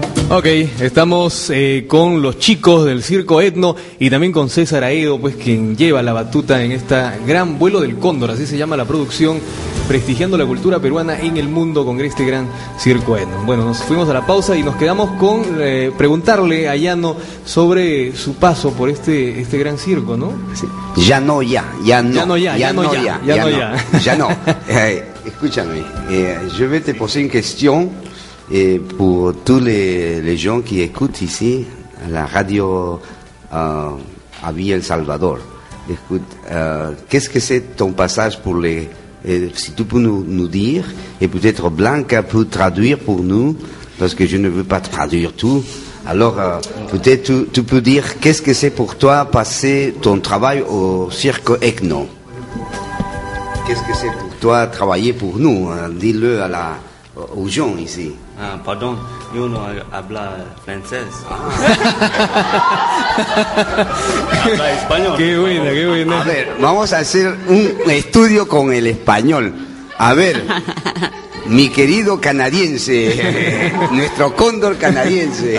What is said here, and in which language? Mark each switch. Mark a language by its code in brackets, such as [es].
[es] Ok, estamos con los chicos del Circo Etno y también con César Aedo, pues, quien lleva la batuta en esta gran Vuelo del Cóndor, así se llama la producción, prestigiando la cultura peruana en el mundo con este gran Circo Etno. Bueno, nos fuimos a la pausa y nos quedamos con preguntarle a Janó sobre su paso por este gran circo, ¿no? Sí. Janó, ya, ya no. Janó, ya, ya, no, ya, ya, ya, no, ya. Ya no. Escúchame, [fr] je vais te poser une question. Pour tous les gens qui écoutent ici à la radio à Villa El Salvador, écoute, qu'est-ce que c'est ton passage pour les... si tu peux nous dire, et peut-être Blanca peut traduire pour nous, parce que je ne veux pas traduire tout. Alors, peut-être tu peux dire qu'est-ce que c'est pour toi passer ton travail au Circo Etno. Qu'est-ce que c'est pour toi travailler pour nous, dis-le à la... [es] Ujón, sí. Ah, perdón, yo no hablo francés. Habla español. Qué bueno, qué bueno. A ver, vamos a hacer un estudio con el español. A ver, mi querido canadiense, nuestro cóndor canadiense.